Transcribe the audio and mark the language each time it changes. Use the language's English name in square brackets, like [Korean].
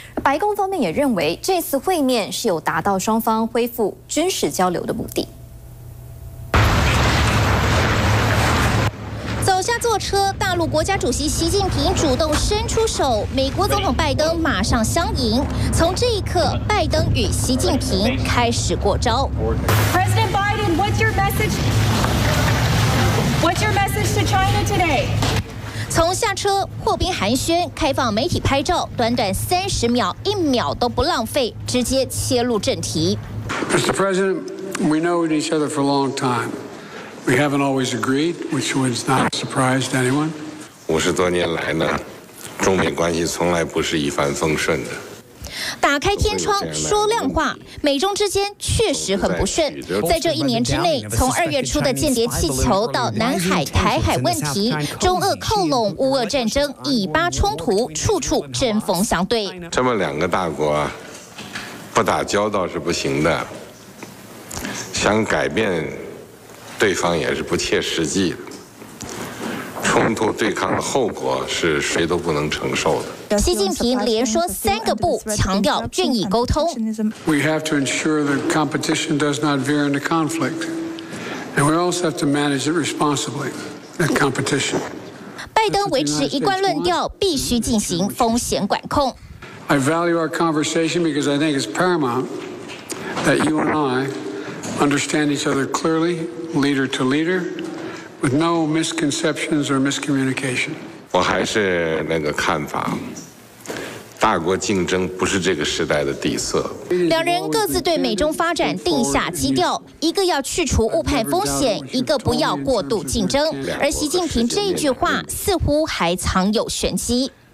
[Chinese] 白宫方面也认为这次会面是有达到双方恢复军事交流的目的。走下坐车，大陆国家主席习近平主动伸出手，美国总统拜登马上相迎。从这一刻，拜登与习近平开始过招。 [English] President Biden, what's your message to China today? [Chinese] 从下车破冰寒暄，开放媒体拍照，短短30秒，一秒都不浪费，直接切入正题。 [English] Mr. President, we know each other for a long time. We haven't always agreed, which was not surprised anyone. [Chinese] 50多年来呢，中美关系从来不是一帆风顺的。打开天窗说亮话，美中之间确实很不顺。在这一年之内，从2月初的间谍气球到南海、台海问题、中俄靠拢、乌俄战争、以巴冲突，处处针锋相对。这么两个大国，不打交道是不行的，想改变对方也是不切实际的。冲突对抗的后果是谁都不能承受的。习近平连说3个不，强调愿意沟通。 [English] We have to ensure that competition does not veer into conflict, and we also have to manage it responsibly. That competition. [Chinese] 拜登维持一贯论调，必须进行风险管控。 [English] I value our conversation because I think it's paramount that you and I understand each other clearly, leader to leader. With no misconceptions or miscommunication. [Chinese] 我还是那个看法，大国竞争不是这个时代的底色。两人各自对美中发展定下基调，一个要去除误判风险，一个不要过度竞争。而习近平这句话似乎还藏有玄机。